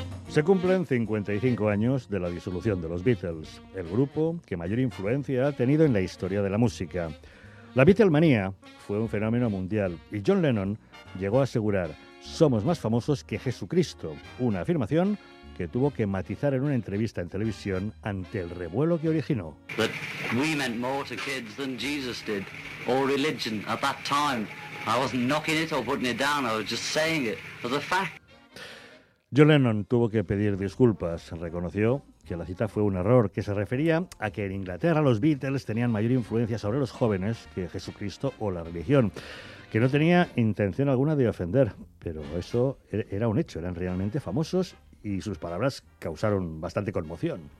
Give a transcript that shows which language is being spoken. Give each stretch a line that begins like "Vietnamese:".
Spanish: Se cumplen 55 años de la disolución de los Beatles, el grupo que mayor influencia ha tenido en la historia de la música. La Beatlemanía fue un fenómeno mundial y John Lennon llegó a asegurar: "Somos más famosos que Jesucristo", una afirmación que tuvo que matizar en una entrevista en televisión ante el revuelo que originó.
English: But we meant more to kids than Jesus did, or religion at that time. I wasn't knocking it or putting it down, I was just saying it as a fact.
Spanish: John Lennon tuvo que pedir disculpas, reconoció que la cita fue un error, que se refería a que en Inglaterra los Beatles tenían mayor influencia sobre los jóvenes que Jesucristo o la religión. Que no tenía intención alguna de ofender, pero eso era un hecho, eran realmente famosos y sus palabras causaron bastante conmoción.